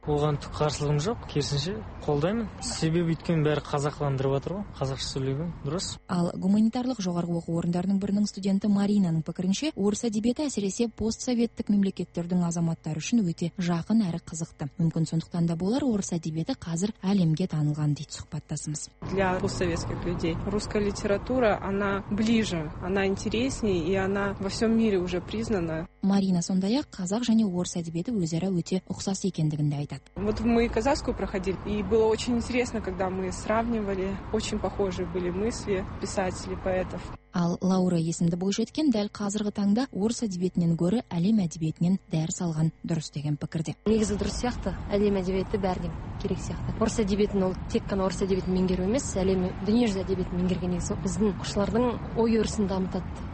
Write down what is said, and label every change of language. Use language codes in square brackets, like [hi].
[kk] Оған қарсы ым жоқ, керісінше қолдаймын. Себебі өткен бәрі қазақландырып отыр ғой, қазақша сөйлеген. Дұрыс. Ал гуманитарлық жоғарғы оқу орындарының бірінің студенті Маринаның пікірінше, орыс әдебиеті әсіресе постсоветтік мемлекеттердің азаматтары үшін өте жақын әрі қызықты. Мүмкін сондықтан да болар, орыс әдебиеті қазір әлемге танылған дейді сұхбаттасымыз. [ru] Для постсоветских людей русская литература, она ближе, она интереснее и она во всём мире уже признана. [kk] Марина сондай-ақ қазақ және орыс әдебиеті өзара өте ұқсас екендігін де айтады. [ru] Мы казахскую проходили, и было очень интересно, когда мы сравнивали. Очень похожие были мысли писателей, поэтов. [kk] Ал Лаура есімді бойжеткен дәл қазіргі таңда орыс әдебиетінен гөрі әлем әдебиетінен дәріс алған дұрыс деген пікірде. Негізі дұрыс сияқты, әлем әдебиеті бәрінен керек сияқты. Орыс әдебиетін ол тек қана орыс әдебиетін меңгеру емес, әлем дүниежүзі әдебиетін меңгерген екен соң біздің оқушылардың ой өрісін дамытады.